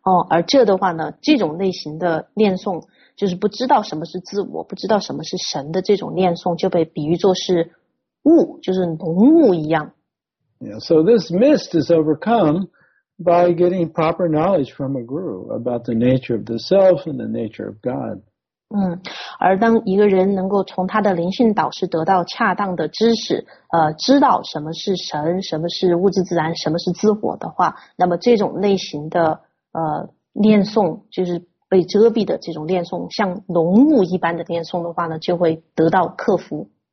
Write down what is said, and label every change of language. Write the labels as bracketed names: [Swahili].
[Chinese] 而这的话呢，这种类型的念诵，就是不知道什么是自我，不知道什么是神的这种念诵，就被比喻作是雾，就是浓雾一样。 [English] Yeah, so this mist is overcome by getting proper knowledge from a guru about the nature of the self and the nature of God. [Chinese] 嗯，而当一个人能够从他的灵性导师得到恰当的知识，知道什么是神，什么是物质自然，什么是自我的话，那么这种类型的念诵，就是被遮蔽的这种念诵，像浓雾一般的念诵的话呢，就会得到克服。